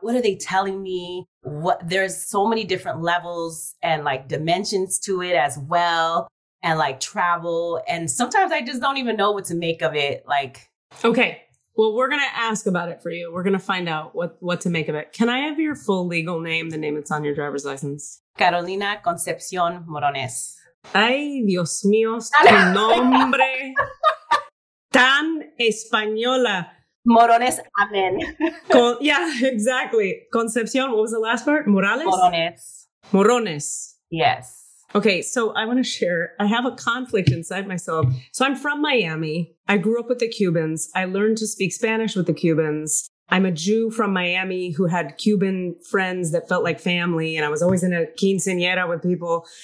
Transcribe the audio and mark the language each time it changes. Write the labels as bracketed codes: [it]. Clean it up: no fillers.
[en] What are they telling me? What, there's so many different levels and like dimensions to it as well. And like travel. And sometimes I just don't even know what to make of it. Like, okay, well, we're going to ask about it for you. We're going to find out what to make of it. Can I have your full legal name? The name that's on your driver's license? Carolina Concepcion Morones. [es] Ay, Dios mío, tu nombre tan española. [en] Morones, amen. Yeah, exactly. Concepcion, what was the last part? Morales? Morones. Morones. Yes. Okay, so I want to share, I have a conflict inside myself. So I'm from Miami. I grew up with the Cubans. I learned to speak Spanish with the Cubans. I'm a Jew from Miami who had Cuban friends that felt like family, and I was always in a quinceañera with people.